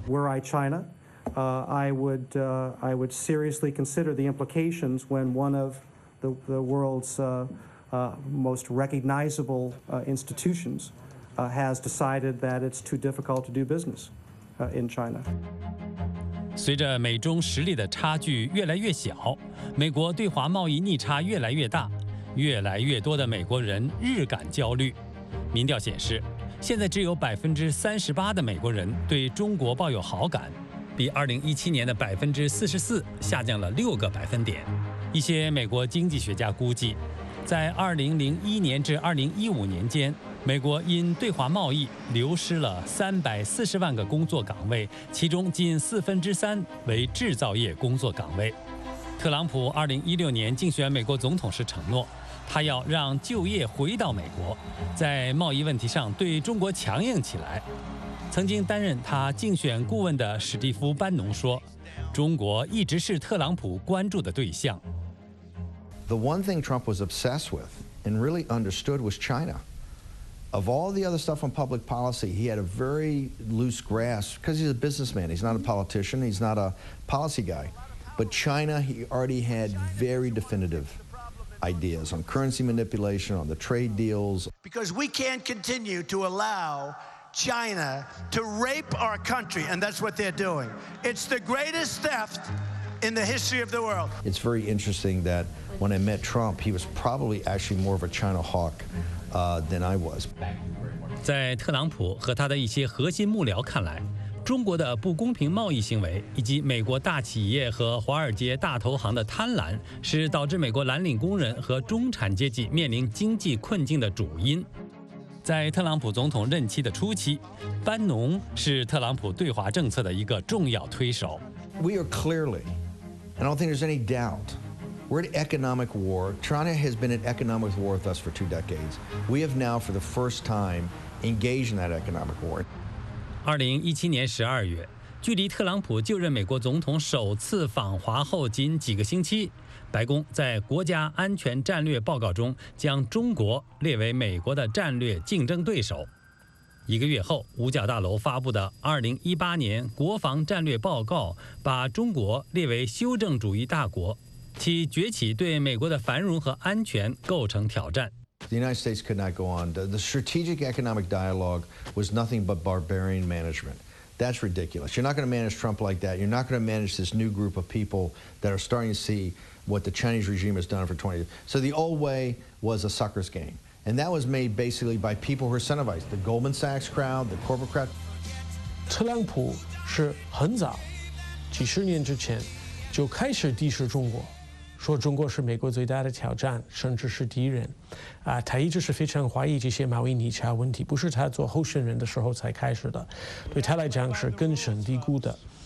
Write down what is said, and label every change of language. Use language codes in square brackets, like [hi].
[en] Were I China, I would seriously consider the implications when one of the world's most recognizable institutions has decided that it's too difficult to do business in China. [zh] 随着美中实力的差距越来越小，美国对华贸易逆差越来越大，越来越多的美国人日感焦虑。民调显示，现在只有38%的美国人对中国抱有好感，比2017年的44%下降了6个百分点。一些美国经济学家估计，在2001年至2015年间，美国因对华贸易流失了340万个工作岗位，其中近3/4为制造业工作岗位。特朗普2016年竞选美国总统时承诺，他要让就业回到美国，在贸易问题上对中国强硬起来。曾经担任他竞选顾问的史蒂夫·班农说，中国一直是特朗普关注的对象。 [en] The one thing Trump was obsessed with and really understood was China. Of all the other stuff on public policy, he had a very loose grasp because he's a businessman. He's not a politician. He's not a policy guy. But China, he already had very definitive ideas on currency manipulation, on the trade deals. Because we can't continue to allow China to rape our country, and that's what they're doing. It's the greatest theft in the history of the world. It's very interesting that when I met Trump, he was probably actually more of a China hawk. Than I was. [zh] 在特朗普和他的一些核心幕僚看来，中国的不公平贸易行为以及美国大企业和华尔街大投行的贪婪，是导致美国蓝领工人和中产阶级面临经济困境的主因。在特朗普总统任期的初期，班农是特朗普对华政策的一个重要推手。 [en] We are clearly, and I don't think there's any doubt. We're in economic war. China has been in economic war with us for 2 decades. We have now, for the first time, engaged in that economic war. [zh] 2017年12月，距离特朗普就任美国总统首次访华后仅几个星期，白宫在国家安全战略报告中将中国列为美国的战略竞争对手。一个月后，五角大楼发布的2018年国防战略报告把中国列为修正主义大国。其崛起对美国的繁荣和安全构成挑战。 [en] The United States could not go on. The strategic economic dialogue was nothing but barbarian management. That's ridiculous. You're not going to manage Trump like that. You're not going to manage this new group of people that are starting to see what the Chinese regime has done for 20 years. So the old way was a sucker's game. And that was made basically by people who are incentivized, the Goldman Sachs crowd, the corporate crowd. [zh] 特朗普是很早，几十年之前就开始敌视中国，说中国是美国最大的挑战，甚至是敌人。他一直是非常怀疑这些贸易逆差问题，不是他做候选人的时候才开始的，对他来讲是根深蒂固的。